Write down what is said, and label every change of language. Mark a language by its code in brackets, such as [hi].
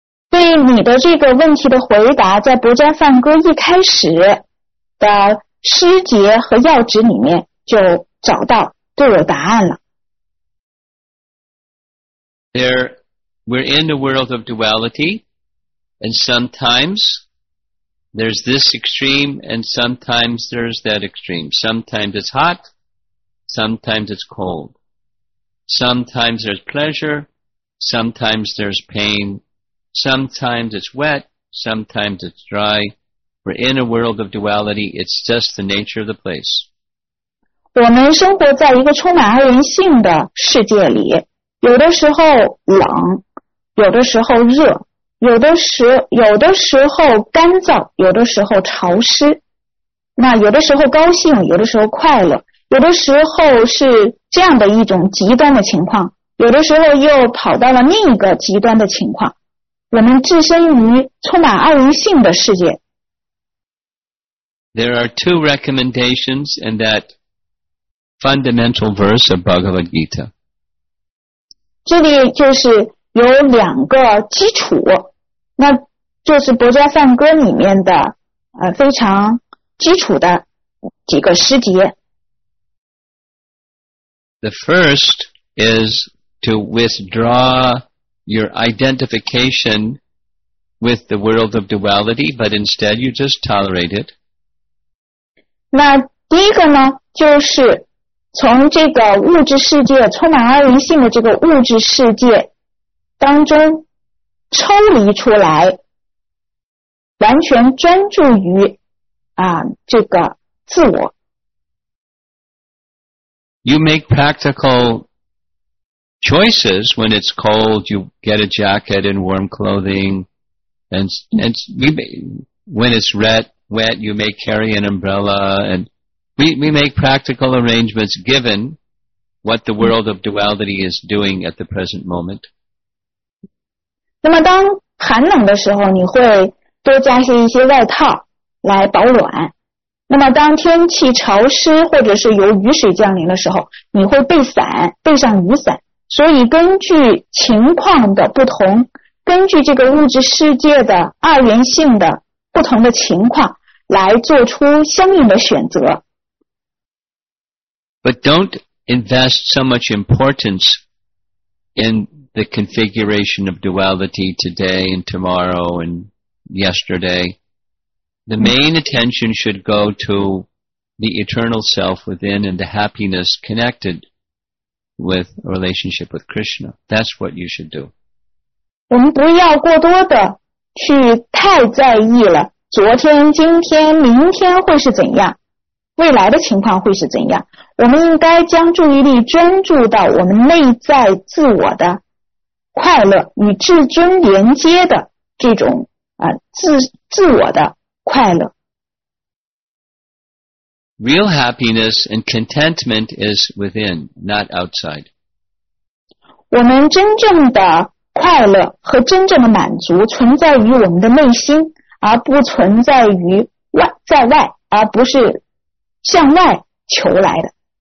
[zh] 对你的这个问题的回答，在《薄伽梵歌》一开始的诗节和要旨里面就找到都有答案了。 [en] There, we're in a world of duality, and sometimes there's this extreme, and sometimes there's that extreme. Sometimes it's hot, sometimes it's cold. Sometimes there's pleasure, sometimes there's pain. Sometimes it's wet, sometimes it's dry. We're in a world of duality, it's just the nature of the place. [zh] 我们生活在一个充满二元性的世界里，有的时候冷，有的时候热，有的时候干燥，有的时候潮湿。那有的时候高兴，有的时候快乐，有的时候是这样的一种极端的情况，有的时候又跑到了另一个极端的情况。我们置身于充满二元性的世界。 [en] There are two recommendations in that fundamental verse of Bhagavad Gita. [zh] 这里就是有两个基础，那就是《薄伽梵歌》里面的非常基础的几个师姐。 [en] The first is to withdraw your identification with the world of duality, but instead you just tolerate it. [zh] 那第一个呢，就是从这个物质世界，充满二元性的这个物质世界当中抽离出来，完全专注于啊这个自我。 [en] You make practical choices. When it's cold, you get a jacket and warm clothing. And when it's wet, you may carry an umbrella. And we make practical arrangements given what the world of duality is doing at the present moment. [zh] 那么当寒冷的时候，你会多加些一些外套来保暖。那么当天气潮湿或者是有雨水降临的时候，你会备伞，备上雨伞。所以根据情况的不同，根据这个物质世界的二元性的不同的情况来做出相应的选择。 [en] But don't invest so much importance in the configuration of duality today and tomorrow and yesterday. The main attention should go to the eternal self within and the happiness connected with relationship with Krishna. That's what you should do. [zh] 我们不要过多的去太在意了昨天、今天、明天会是怎样，未来的情况会是怎样。我们应该将注意力专注到我们内在自我的快乐与至尊连接的这种啊自我的快乐。 [en] Real happiness and contentment is within, not outside. [zh] 我们真正的快乐和真正的满足存在于我们的内心，而不存在于外，在外，而不是向外求来的。